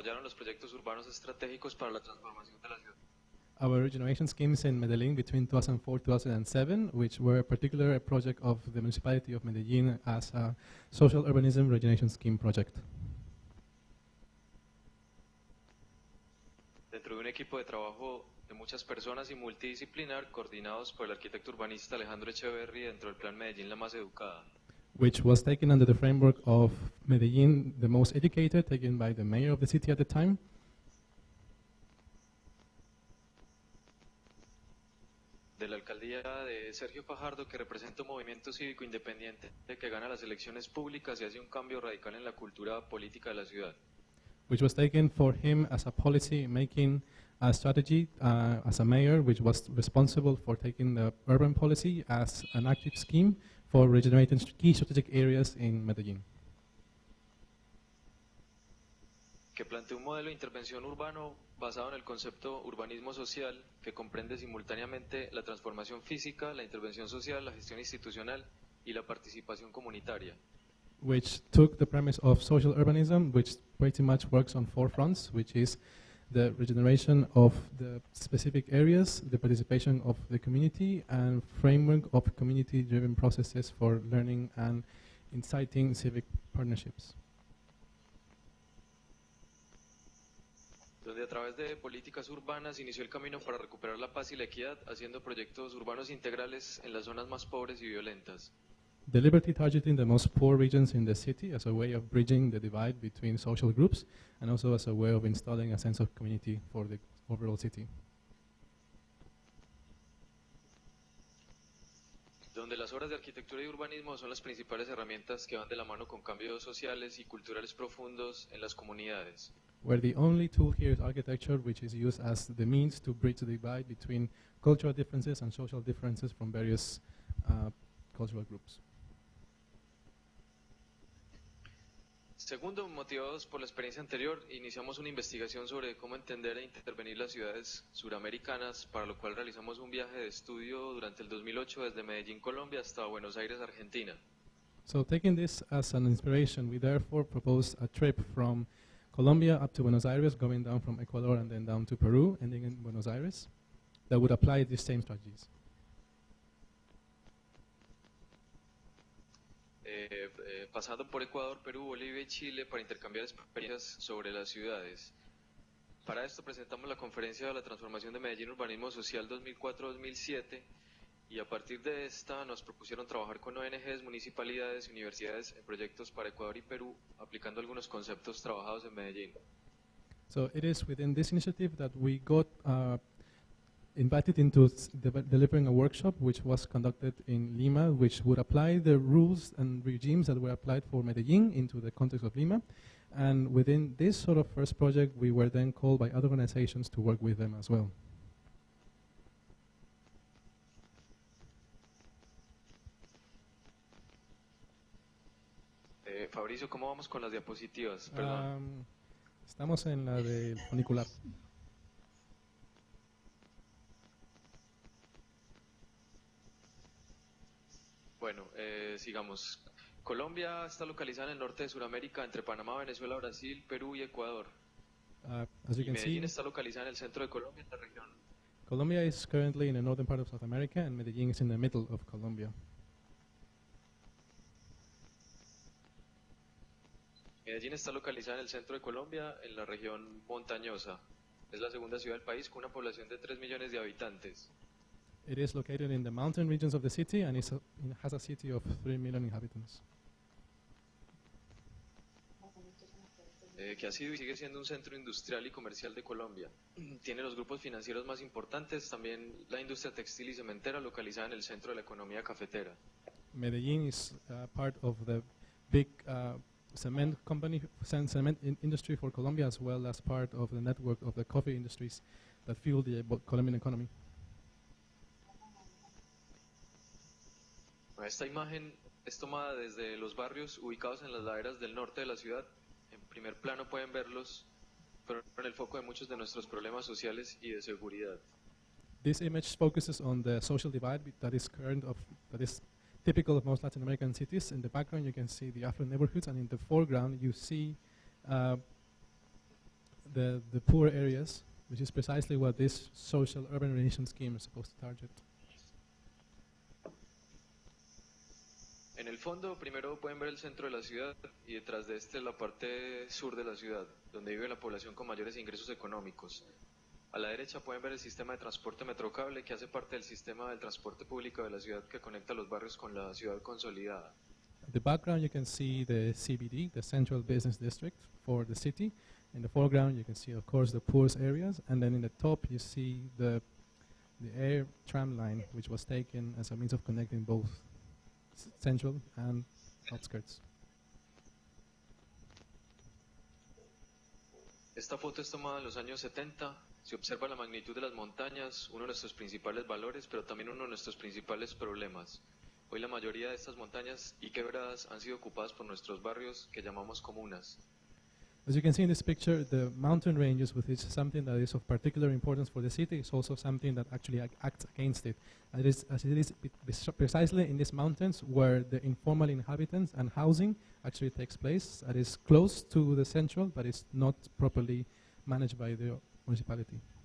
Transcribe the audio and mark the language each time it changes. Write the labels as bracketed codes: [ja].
[es] los proyectos urbanos estratégicos para la transformación de la ciudad. [en] Our regeneration schemes in Medellín between 2004-2007, which were a particular project of the municipality of Medellín as a social urbanism regeneration scheme project. [es] Dentro de un equipo de trabajo de muchas personas y multidisciplinar coordinados por el arquitecto urbanista Alejandro Echeverry dentro del Plan Medellín La Más Educada. [en] Which was taken under the framework of Medellín, the most educated, taken by the mayor of the city at the time. [es] De la alcaldía de Sergio Fajardo, que representa un movimiento cívico independiente, que gana las elecciones públicas y hace un cambio radical en la cultura política de la ciudad. [en] Which was taken for him as a policy making a strategy as a mayor, which was responsible for taking the urban policy as an active scheme for regenerating key strategic areas in Medellín. [es] Que plantea un modelo de intervención urbano basado en el concepto urbanismo social, que comprende simultáneamente la transformación física, la intervención social, la gestión institucional y la participación comunitaria. [en] Which took the premise of social urbanism, which pretty much works on four fronts, which is the regeneration of the specific areas, the participation of the community, and framework of community-driven processes for learning and inciting civic partnerships. [es] Donde a través de políticas urbanas inició el camino para recuperar la paz y la equidad, haciendo proyectos urbanos integrales en las zonas más pobres y violentas. [en] Deliberately targeting the most poor regions in the city as a way of bridging the divide between social groups and also as a way of installing a sense of community for the overall city. [es] Donde las obras de arquitectura y urbanismo son las principales herramientas que van de la mano con cambios sociales y culturales profundos en las comunidades. [en] Where the only tool here is architecture, which is used as the means to bridge the divide between cultural differences and social differences from various cultural groups. [es] Segundo, motivados por la experiencia anterior, iniciamos una investigación sobre cómo entender e intervenir las ciudades suramericanas, para lo cual realizamos un viaje de estudio durante el 2008 desde Medellín, Colombia, hasta Buenos Aires, Argentina. [en] So taking this as an inspiration, we therefore proposed a trip from Colombia up to Buenos Aires, going down from Ecuador and then down to Peru, ending in Buenos Aires, that would apply these same strategies. [es] Pasando por Ecuador, Perú, Bolivia y Chile para intercambiar experiencias sobre las ciudades. Para esto presentamos la conferencia de la transformación de Medellín Urbanismo Social 2004-2007 y a partir de esta nos propusieron trabajar con ONGs, municipalidades y universidades en proyectos para Ecuador y Perú aplicando algunos conceptos trabajados en Medellín. [en] So it is within this initiative that we got invited into delivering a workshop which was conducted in Lima, which would apply the rules and regimes that were applied for Medellin into the context of Lima. And within this sort of first project, we were then called by other organizations to work with them as well. [es] Fabrizio, ¿cómo vamos con las diapositivas? Estamos en la del funicular. Bueno, sigamos. Colombia está localizada en el norte de Sudamérica, entre Panamá, Venezuela, Brasil, Perú y Ecuador. [en] As you can [es] Medellín [en] see, [es] está localizada en el centro de Colombia, en la región. [en] Colombia is currently in the northern part of South America, and Medellín is in the middle of Colombia. [es] Medellín está localizada en el centro de Colombia, en la región montañosa. Es la segunda ciudad del país con una población de 3 millones de habitantes. [en] It is located in the mountain regions of the city and has a city of 3 million inhabitants. [es] Que ha sido y sigue siendo un centro industrial y comercial de Colombia. Tiene los grupos financieros más importantes, también la industria textil y cementera localizada en el centro de la economía cafetera. [en] Medellin is part of the big cement company, cement industry for Colombia, as well as part of the network of the coffee industries that fuel the Colombian economy. [es] Esta imagen es tomada desde los barrios ubicados en las laderas del norte de la ciudad. En primer plano pueden verlos, pero en el foco de muchos de nuestros problemas sociales y de seguridad. [en] This image focuses on the social divide that is current of that is typical of most Latin American cities. In the background, you can see the affluent neighborhoods, and in the foreground, you see the poor areas, which is precisely what this social urban regeneration scheme is supposed to target. [es] En el fondo, primero pueden ver el centro de la ciudad y detrás de este la parte sur de la ciudad, donde vive la población con mayores ingresos económicos. A la derecha pueden ver el sistema de transporte metrocable que hace parte del sistema del transporte público de la ciudad que conecta los barrios con la ciudad consolidada. [en] In the background you can see the CBD, the central business district for the city. In the foreground you can see of course the poorest areas, and then in the top you see the air tram line, which was taken as a means of connecting both central and outskirts. [es] Esta foto es tomada en los años 70. Se observa la magnitud de las montañas, uno de nuestros principales valores, pero también uno de nuestros principales problemas. Hoy la mayoría de estas montañas y quebradas han sido ocupadas por nuestros barrios que llamamos comunas. [en] As you can see in this picture, the mountain ranges, which is something that is of particular importance for the city, is also something that actually acts against it. As it is precisely in these mountains where the informal inhabitants and housing actually takes place. It is close to the central, but it's not properly managed by the municipality.